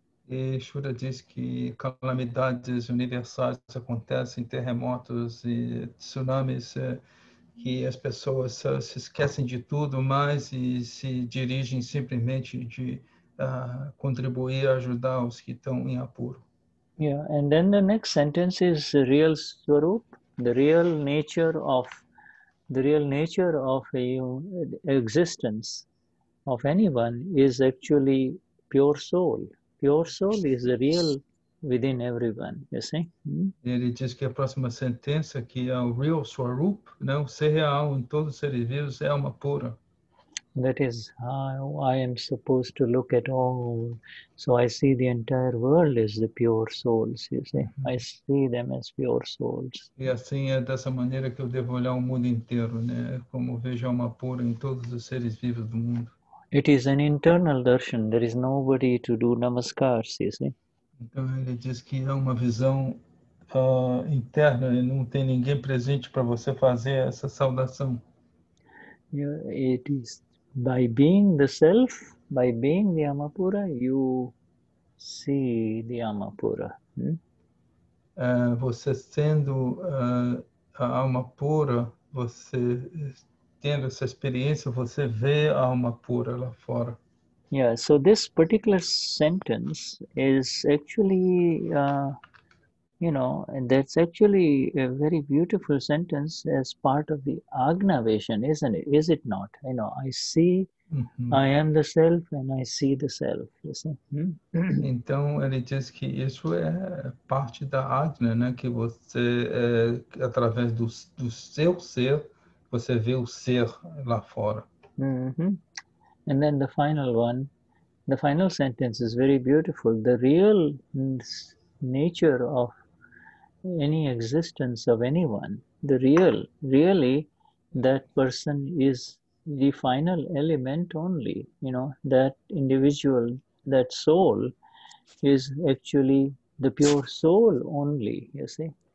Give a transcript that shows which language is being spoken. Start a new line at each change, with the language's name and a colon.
Portuguese: E Shuddha diz que calamidades universais acontecem, terremotos e tsunamis, que as pessoas se esquecem de tudo mais e se dirigem simplesmente de contribuir, ajudar os que estão em apuro.
English: Yeah, and then the next sentence is the real swarup, the real nature of existence of anyone is actually pure soul. Pure soul is the real within everyone, you see? Mm-hmm.
Portuguese: Ele diz que a próxima sentença que é o real swarup, né, o ser real em todos os seres vivos é alma pura.
English: That is how I am supposed to look at all. So I see the entire world as the pure souls, you see. Mm-hmm. I see them as pure souls.
Portuguese: E assim é dessa maneira que eu devo olhar o mundo inteiro, né? Como vejo alma pura em todos os seres vivos do mundo.
English: It is an internal darshan. There is nobody to do namaskars, you see.
Portuguese: Então ele diz que é uma visão interna e não tem ninguém presente para você fazer essa saudação.
English: Yeah, it is. By being the self, by being the Amapura, you see the Amapura.
Portuguese: Você sendo a alma pura, você tendo essa experiência, você vê a alma pura lá fora.
English: Yeah, so this particular sentence is actually, that's actually a very beautiful sentence as part of the Agna Vision, isn't it? Is it not? You know, I see, mm-hmm. I am the self and I see the self, you see? Mm-hmm.
Portuguese: Então, ele diz que isso é parte da Agna, né? Que você, através do seu ser, você vê o ser lá fora. Mm-hmm.
English: And then the final one, the final sentence is very beautiful. The real nature of any existence of anyone, the real, really, that person is the final element only, you know, that individual, that soul is actually the pure soul only, you see.